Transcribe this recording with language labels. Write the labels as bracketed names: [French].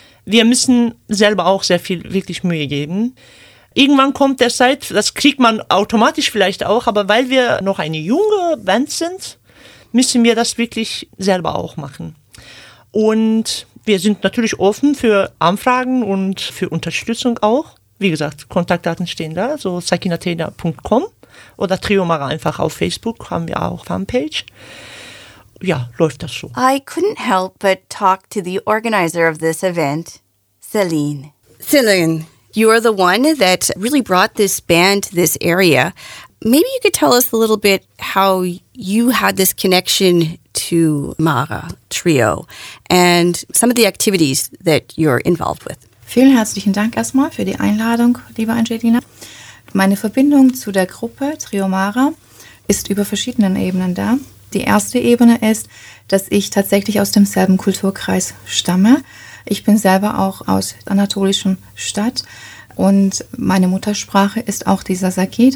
[German] Wir müssen selber auch sehr viel wirklich Mühe geben. Irgendwann kommt der Zeit, das kriegt man automatisch vielleicht auch, aber weil wir noch eine junge Band sind, müssen wir das wirklich selber auch machen. Und wir sind natürlich offen für Anfragen und für Unterstützung auch. Wie gesagt, Kontaktdaten stehen da, so sakinatena.com. Oder Trio Mara einfach auf Facebook, haben wir auch Fanpage. Ja, läuft das so. [English] I couldn't help but talk to the organizer of this event, Celine. Celine, you are the one that really brought this band to this area. Maybe you could tell us a little bit how you had this connection to Mara Trio and some of the activities that you're involved with. [German] Vielen herzlichen Dank erstmal für die Einladung, liebe Angelina. Meine Verbindung zu der Gruppe Trio Mara ist über verschiedenen Ebenen da. Die erste Ebene ist, dass ich tatsächlich aus demselben Kulturkreis stamme. Ich bin selber auch aus anatolischen Stadt und meine Muttersprache ist auch die Sasaki.